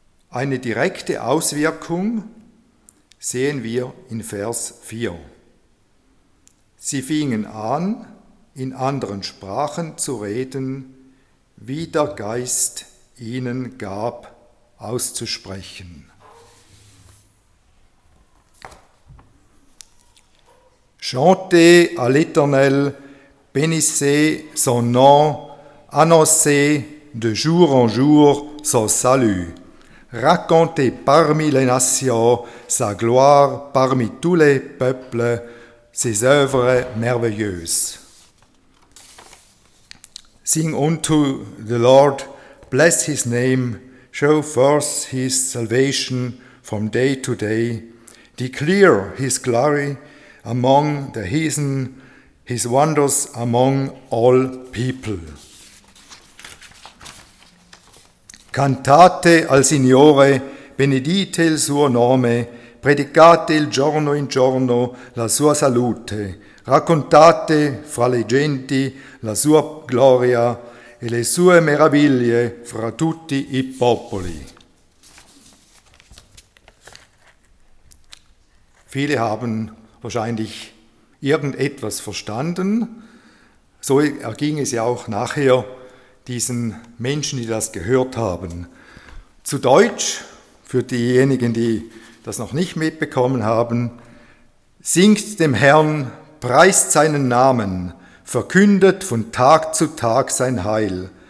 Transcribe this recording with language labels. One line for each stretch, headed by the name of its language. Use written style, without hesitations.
German: Eine direkte Auswirkung sehen wir in Vers 4. Sie fingen an, in anderen Sprachen zu reden, wie der Geist ihnen gab, auszusprechen.
French: Chantez à l'Éternel, bénissez son nom, annoncez de jour en jour son salut. Racontez parmi les nations sa gloire, parmi tous les peuples, ses œuvres merveilleuses.
English: Sing unto the Lord, bless his name, show forth his salvation from day to day, declare his glory among the heathen, his wonders among all people.
Italian: Cantate al Signore, benedite il suo nome, predicate il giorno in giorno la sua salute. Raccontate fra le genti la sua gloria e le sue meraviglie fra tutti i popoli.
German: Viele haben wahrscheinlich irgendetwas verstanden. So erging es ja auch nachher diesen Menschen, die das gehört haben. Zu Deutsch, für diejenigen, die das noch nicht mitbekommen haben, singt dem Herrn, preist seinen Namen, verkündet von Tag zu Tag sein Heil.